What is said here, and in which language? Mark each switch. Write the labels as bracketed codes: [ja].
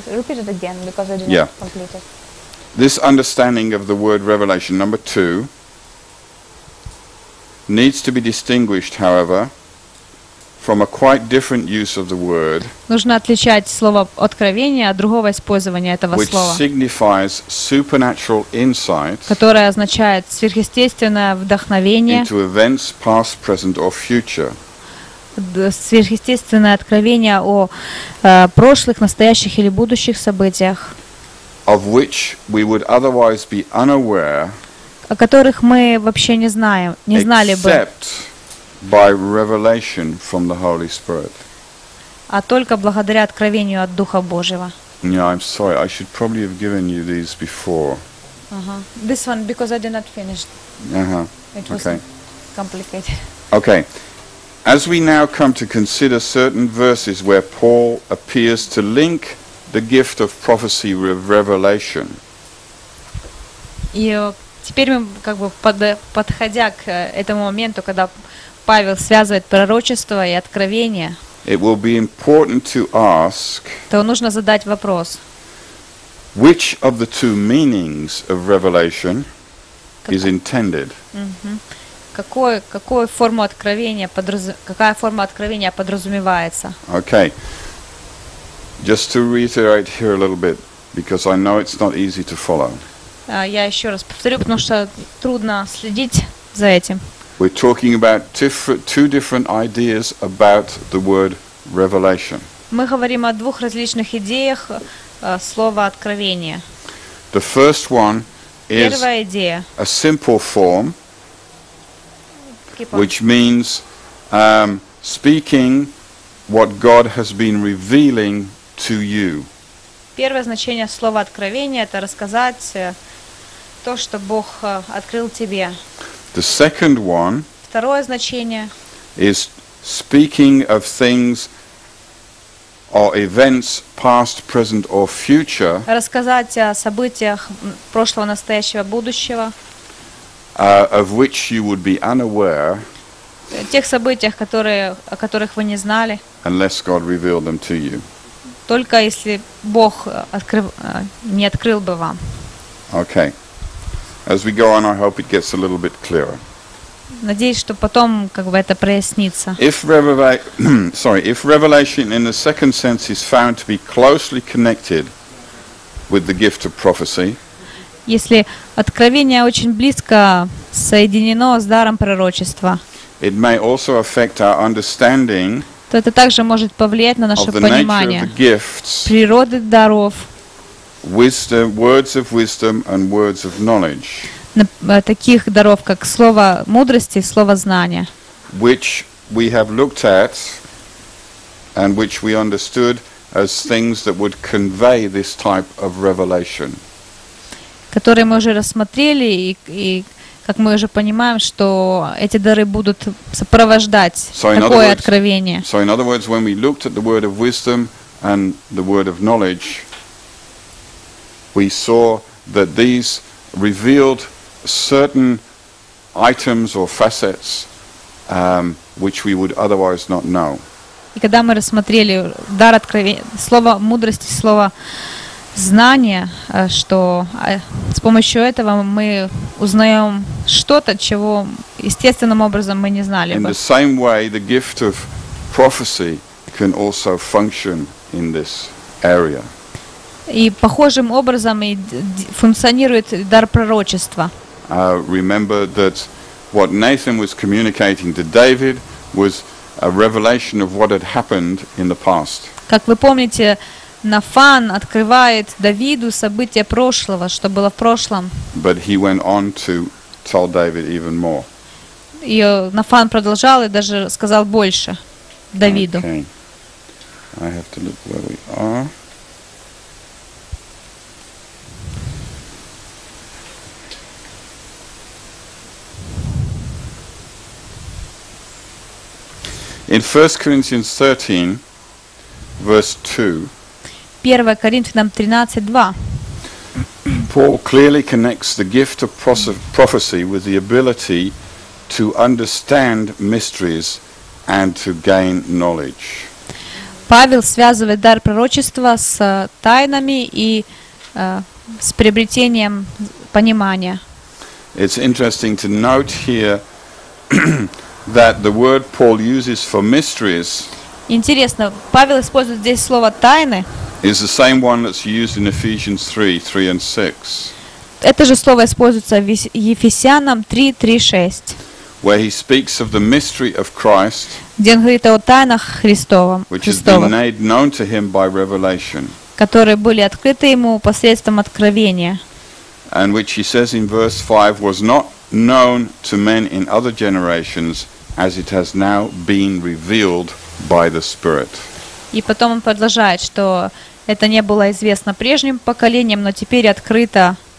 [en] Repeat it again because I didn't complete it. This understanding of the word revelation, number two, needs to be distinguished, however, from a quite different use of the word. [ru] Нужно отличать слово откровение от другого использования этого [en] which [ru] слова. [en] Which signifies supernatural insight. [ru] Которое означает сверхъестественное вдохновение. [en] Into events past, present, or future. [ru] Сверхъестественное откровение о прошлых, настоящих или будущих событиях, [en] of which we would otherwise be unaware, [ru] о которых мы вообще не знаем, не знали бы, [en] except by revelation from the Holy Spirit. [ru] А только благодаря откровению от Духа Божьего. [en] Yeah, I'm sorry. I should probably have given you these before. Uh-huh. This one, because I did not finish. Uh-huh. It was okay. Complicated. Okay. As we now come to consider certain verses where Paul appears to link the gift of prophecy with revelation. [ru] И теперь мы как бы подходя к этому моменту, когда Павел связывает пророчество и откровение. [en] It will be important to ask. [ru] То нужно задать вопрос. [en] Which of the two meanings of revelation is intended? [ru] какой форму откровения какая форма откровения подразумевается? [en] Okay. Just to reiterate here a little bit, because I know it's not easy to follow. [ru] Я еще раз повторю, потому что трудно следить за этим. [en] We're talking about two different ideas about the word revelation. [ru] Мы говорим о двух различных идеях слова откровение. [en] The first one is a simple form, which means speaking what God has been revealing to you. [ru] Первое значение слова откровение — это рассказать то, что Бог открыл тебе. [en] The second one, [ru] второе значение, [en] is speaking of things or events past, present or future. [ru] Рассказать о событиях прошлого, настоящего, будущего. [en] Of which you would be unaware. [ru] Тех событиях, о которых вы не знали. [en] Unless God revealed them to you. [ru] Только если Бог не открыл бы вам. [en] Okay. As we go on, I hope it gets a little bit clearer. [ru] Надеюсь, что потом как бы это прояснится. [en] If revelation in the second sense is found to be closely connected with the gift of prophecy. [ru] Если откровение очень близко соединено с даром пророчества. [en] It may also affect our understanding. [ru] То это также может повлиять на наше понимание природы даров. [en] Wisdom, words of wisdom and words of knowledge. [ru] Таких даров, как слово мудрости, слово знания. [en] Which we have looked at and which we understood as things that would convey this type of revelation. [ru] Которые мы уже рассмотрели, и как мы уже понимаем, что эти дары будут сопровождать такое откровение. [en] So in other words, when we looked at the word of wisdom and the word of knowledge, we saw that these revealed certain items or facets which we would otherwise not know. [ru] И когда мы рассмотрели дар откровения, слово мудрости, слово знания, что с помощью этого мы узнаем что-то, чего естественным образом мы не знали бы. [en] In the same way, the gift of prophecy can also function in this area. [ru] И похожим образом и функционирует дар пророчества. [en] Remember that what Nathan was communicating to David was a revelation of what had happened in the past. [ru] Как вы помните, Нафан открывает Давиду события прошлого, что было в прошлом. [en] But he went on to tell David even more. [ru] И Нафан продолжал и даже сказал больше Давиду. [en] Okay. I have to look where we are. In 1 Corinthians 13, verse 2, [ru] 1 Коринфянам 13:2, [en] Paul clearly connects the gift of prophecy with the ability to understand mysteries and to gain knowledge. [ru] Павел связывает дар пророчества с тайнами и с приобретением понимания. [en] It's interesting to note here that the word Paul uses for mysteries. [ru] Интересно, Павел использует здесь слово тайны. [en] Is the same one that's used in Ephesians 3:3 and 6. [ru] Это же слово используется в Ефесянам 3:3-6. [en] Where he speaks of the mystery of Christ. [ru] Где он говорит о тайнах Христовых. [en] Which has been made known to him by revelation. [ru] Которые были открыты ему посредством откровения. [en] And which he says in verse 5 was not known to men in other generations, as it has now been revealed by the Spirit. [ru] И потом он продолжает, что это не было известно прежним поколениям, но теперь открыто.